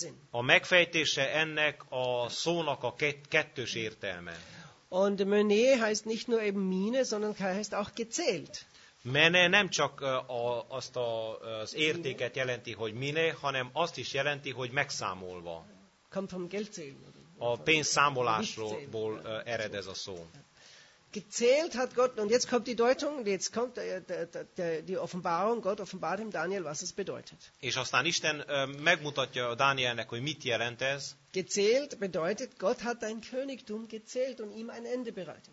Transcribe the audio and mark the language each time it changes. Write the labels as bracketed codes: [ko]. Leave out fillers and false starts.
[hu] A megfejtése ennek a szónak a kettős értelme. [de] Und mene heißt nicht nur eben mine, sondern heißt auch gezählt. [hu] Mene nem csak az értéket jelenti, hogy mine, hanem azt is jelenti, hogy megszámolva. [de] Kommt vom Geldzählen. [hu] A pénzszámolásról ered ez a szó. [de] Gezählt hat Gott, und jetzt kommt die Deutung, jetzt kommt die Offenbarung, Gott offenbart ihm Daniel, was es bedeutet. [hu] És aztán Isten megmutatja Dánielnek, hogy mit jelent ez. [de] Gezählt bedeutet, Gott hat dein Königtum gezählt und ihm ein Ende bereitet.